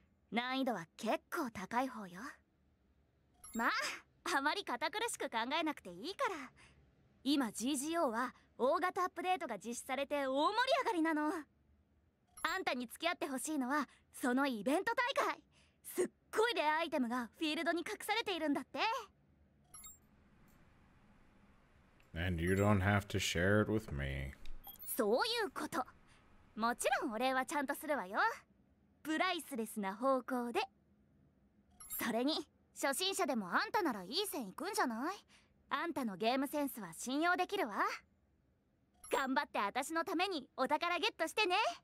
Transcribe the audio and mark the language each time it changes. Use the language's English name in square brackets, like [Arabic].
[Japanese] 難易度は結構高い方よ。まああまり堅苦しく考えなくていいから。今 GGO は大型アップデートが実施されて大盛り上がりなの。あんたに付き合ってほしいのはそのイベント大会。すっごいレアアイテムがフィールドに隠されているんだって。 [English] And you don't have to share it with me. [Japanese] そういうこと。もちろんお礼はちゃんとするわよ。プライスレスな方向で。それに初心者でもあんたならいい線いくんじゃない？あんたのゲームセンスは信用できるわ。頑張って私のためにお宝ゲットしてね。